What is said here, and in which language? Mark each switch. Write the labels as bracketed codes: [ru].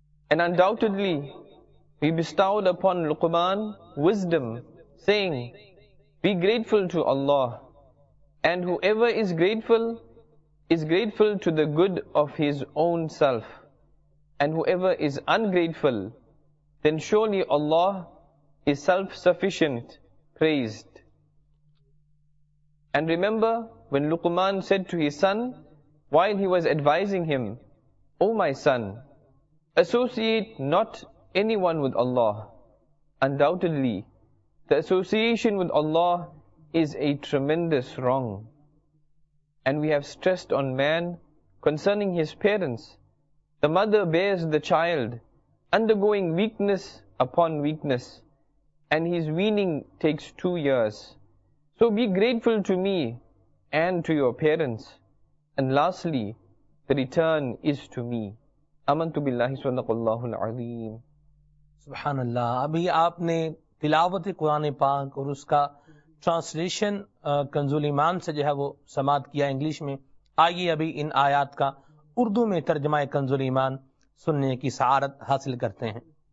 [en] And undoubtedly we bestowed upon Luqman wisdom, saying, Be grateful to Allah, and whoever is grateful to the good of his own self, and whoever is ungrateful, then surely Allah is self-sufficient, praised. And remember when Luqman said to his son, while he was advising him, O my son, associate not anyone with Allah. Undoubtedly, the association with Allah is a tremendous wrong. And we have stressed on man concerning his parents. The mother bears the child, undergoing weakness upon weakness, and his weaning takes 2 years. So be grateful to me and to your parents. And lastly, the return is to me. [ar] آمنت باللہ صدق اللہ العظیم. سبحان اللہ. [ur] ابھی آپ نے تلاوت قرآن پاک اور اس کا ٹرانسلیشن کنزول ایمان سے جو ہے وہ سماعت کیا انگلش میں. آئیے ابھی ان آیات کا اردو میں ترجمہ کنزول ایمان سننے کی سعادت حاصل کرتے ہیں.